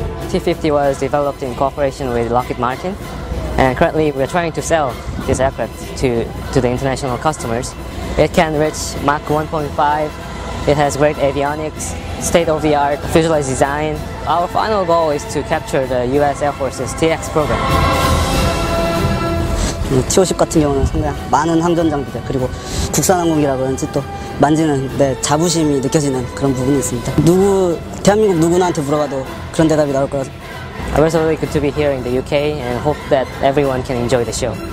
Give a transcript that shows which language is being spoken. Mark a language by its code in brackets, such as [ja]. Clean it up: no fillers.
[en] T-50 was developed in cooperation with Lockheed Martin, and currently we are trying to sell this aircraft to the international customers. It can reach Mach 1.5. It has great avionics, state-of-the-art fuselage design. Our final goal is to capture the U.S. Air Force's T-X program. [ko] T-50 같은 경우는 상당히 많은 항전 장비들 그리고 국산 항공기라 그런지 또 만지는 내 자부심이 느껴지는 그런 부분이 있습니다. 누구 대한민국 누구나한테 물어봐도 그런 대답이 나올 거라서. [en] I'm absolutely good to be here in the UK and hope that everyone can enjoy the show.